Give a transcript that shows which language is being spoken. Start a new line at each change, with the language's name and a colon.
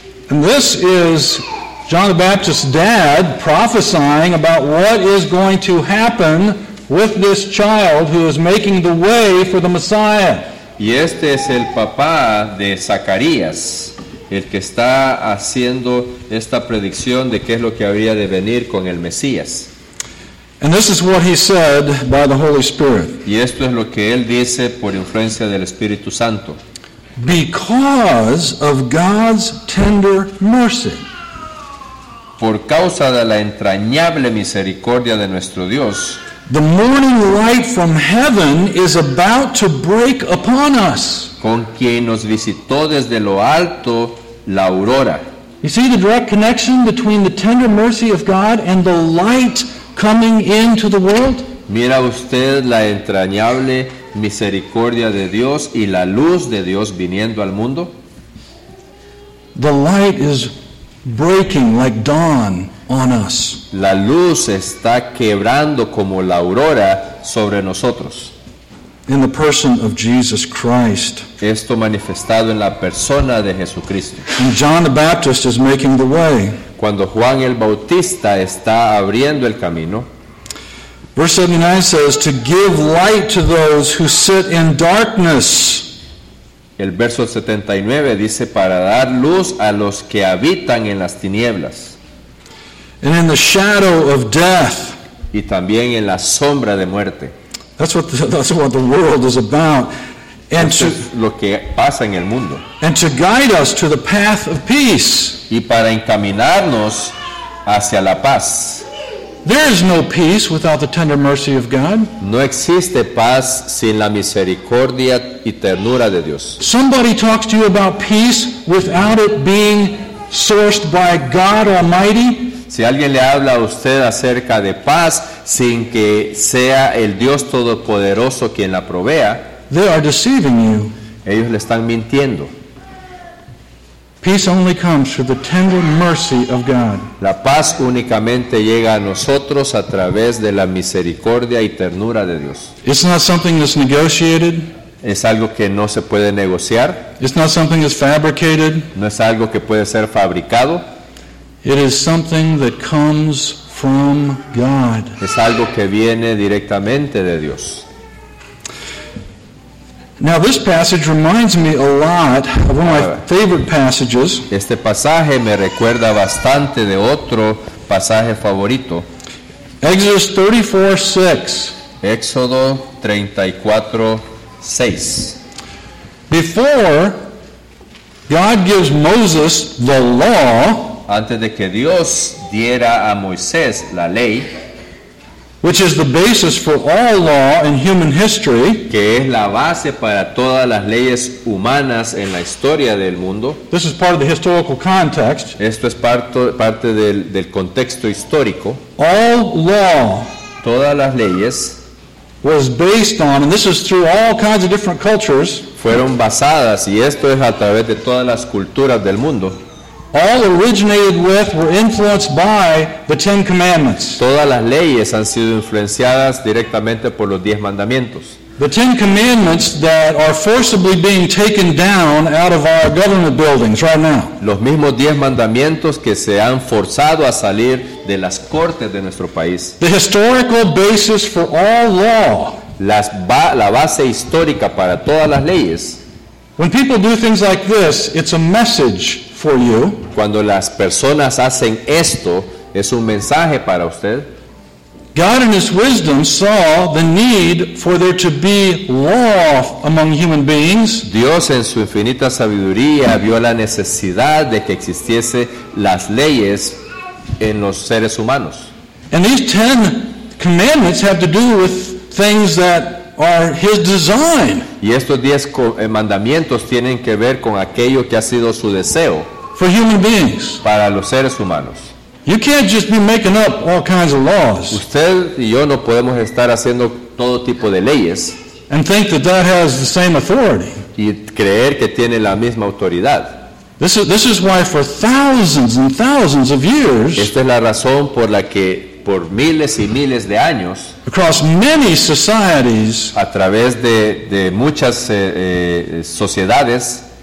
English: And this is John the Baptist's dad prophesying about what is going to happen with this child who is making the way for the Messiah.
Spanish: Y este es el papá de Zacarías, el que está haciendo esta predicción de qué es lo que habría de venir con el Mesías.
English: And this is what he said by the Holy Spirit.
Spanish: Y esto es lo que él dice por influencia del Espíritu Santo.
English: Because of God's tender mercy.
Spanish: Por causa de la entrañable misericordia de nuestro Dios,
English: the morning light from heaven is about to break upon us.
Spanish: Con quien nos visitó desde lo alto la aurora.
English: You see the direct connection between the tender mercy of God and the light coming into the world?
Spanish: Mira usted la entrañable misericordia de Dios y la luz de Dios viniendo al mundo.
English: The light is breaking like dawn on us.
Spanish: La luz está quebrando como la aurora sobre nosotros.
English: In the person of Jesus Christ.
Spanish: Esto manifestado en la persona de Jesucristo.
English: And John the Baptist is making the way.
Spanish: Cuando Juan el Bautista está abriendo el camino.
English: Verse 79 says, to give light to those who sit in darkness.
Spanish: El verso 79 dice, para dar luz a los que habitan en las tinieblas.
English: And in the shadow of death.
Spanish: Y también en la sombra de muerte.
English: That's what the world is about.
Spanish: And esto es lo que pasa en el mundo.
English: And to guide us to the path of peace.
Spanish: Y para encaminarnos hacia la paz.
English: There is no peace without the tender mercy of God.
Spanish: No existe paz sin la misericordia y ternura de Dios.
English: Somebody talks to you about peace without it being sourced by God Almighty.
Spanish: Si alguien le habla a usted acerca de paz sin que sea el Dios Todopoderoso quien la provea,
English: they are deceiving you.
Spanish: Ellos le están mintiendo.
English: Peace only comes through the tender mercy of God.
Spanish: La paz únicamente llega a nosotros a través de la misericordia y ternura de Dios.
English: It's not something that's negotiated.
Spanish: Es algo que no se puede negociar.
English: It's not something that's fabricated.
Spanish: No es algo que puede ser fabricado.
English: It is something that comes from God.
Spanish: Es algo que viene directamente de Dios.
English: Now this passage reminds me a lot of one of my favorite passages.
Spanish: Este pasaje me recuerda bastante de otro pasaje favorito.
English: Exodus 34:6.
Spanish: Éxodo 34:6.
English: Before God gives Moses the law,
Spanish: antes de que Dios diera a Moisés la ley,
English: which is the basis for all law in human history,
Spanish: que es la base para todas las leyes humanas en la historia del mundo.
English: This is part of the historical context.
Spanish: Esto es parte del contexto histórico.
English: All law,
Spanish: todas las leyes,
English: was based on, and this is through all kinds of different cultures,
Spanish: fueron basadas, y esto es a través de todas las culturas del mundo.
English: All originated with, were influenced by the Ten Commandments.
Spanish: Todas las leyes han sido influenciadas directamente por los 10 mandamientos.
English: The Ten Commandments that are forcibly being taken down out of our government buildings right now.
Spanish: Los mismos 10 mandamientos que se han forzado a salir de las cortes de nuestro país.
English: The historical basis for all law.
Spanish: La base histórica para todas las leyes.
English: When people do things like this, it's a message for you.
Spanish: Cuando las personas hacen esto, es un mensaje para usted.
English: God in His wisdom saw the need for there to be law among human beings.
Spanish: Dios en su infinita sabiduría vio la necesidad de que existiese las leyes en los seres humanos.
English: And these ten commandments have to do with things that are His design.
Spanish: Y estos 10 mandamientos tienen que ver con aquello que ha sido su deseo.
English: For human beings.
Spanish: Para los seres humanos.
English: You can't just be making up all kinds of laws.
Spanish: Usted y yo no podemos estar haciendo todo tipo de leyes.
English: And think that that has the same authority.
Spanish: Y creer que tiene la misma autoridad.
English: This is why for thousands and thousands of years.
Spanish: Esta es la razón por la que por miles y miles de años,
English: across many societies,
Spanish: a través de muchas sociedades,